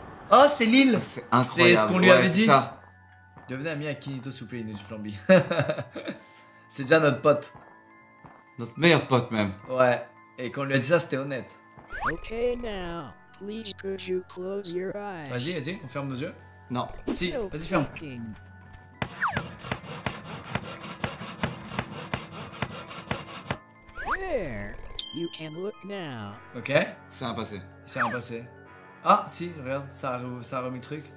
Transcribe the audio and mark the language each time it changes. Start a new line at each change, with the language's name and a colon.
French: Oh, c'est l'île. C'est incroyable. C'est ce qu'on lui ouais, avait dit. Ça. Devenez ami à Kinito Souple et du Flambi. C'est déjà notre pote. Notre meilleur pote même. Ouais. Et quand on lui a dit ça, c'était honnête.
English: Okay, now. Please, could you close your eyes?
French: Vas-y, vas-y, on ferme nos yeux. Non. Si, no, vas-y, ferme. Thinking.
English: There. You can look now.
French: Ok. C'est un passé. C'est un passé. Ah, si, regarde, ça a remis le truc.